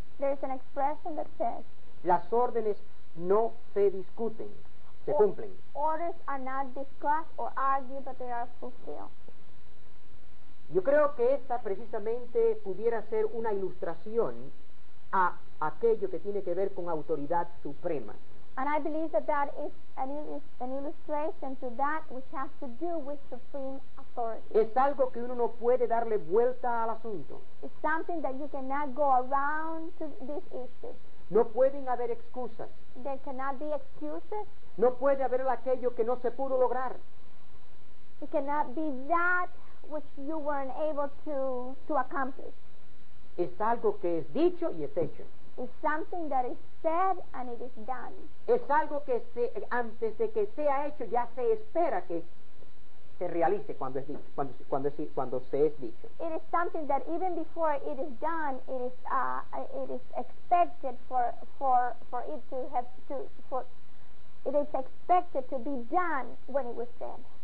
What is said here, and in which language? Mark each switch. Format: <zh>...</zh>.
<en>there is an expression that says,</en> <es>las órdenes no se discuten, se cumplen.</es> <en>Orders are not discussed or argued, but they are fulfilled.</en> <es>Yo creo que esta precisamente pudiera ser una ilustración a aquello que tiene que ver con autoridad suprema.</es> <en>And I believe that that is an illustration to that which has to do with supreme authority.</en> <es>Es algo que uno no puede darle vuelta al asunto.</es> <en>It's something that you cannot go around to this issue.</en> <es>No pueden haber excusas.</es> <en>There cannot be excuses.</en> <es>No puede haber aquello que no se pudo lograr.</es> <en>It cannot be that which you weren't able to accomplish.</en> <es>Es algo que es dicho y es hecho.</es> <en>It's something that is said and it is done.</en> <es>Es algo que se, antes de que sea hecho ya se espera que se realice cuando es dicho, cuando se es dicho.</es> <en>It is something that even before it is done, it is expected for it to have to for it is expected to be done when it was said.</en>